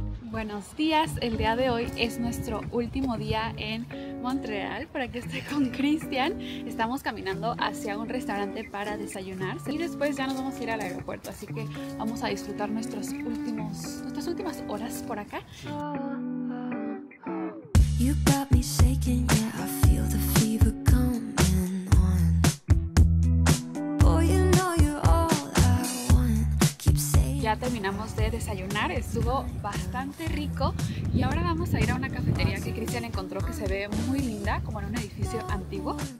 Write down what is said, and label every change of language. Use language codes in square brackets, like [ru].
[es] Buenos días, el día de hoy es nuestro último día en Montreal, por aquí estoy con Cristian. Estamos caminando hacia un restaurante para desayunar y después ya nos vamos a ir al aeropuerto, así que vamos a disfrutar nuestras últimas horas por acá. [en] You got me shaking, yeah, I feel the fever coming on. Boy, you know you're all I want. Keep saying. [es] Ya terminamos de desayunar, estuvo bastante rico. Y ahora vamos a ir a una cafetería que Cristian encontró que se ve muy linda, como en un edificio antiguo.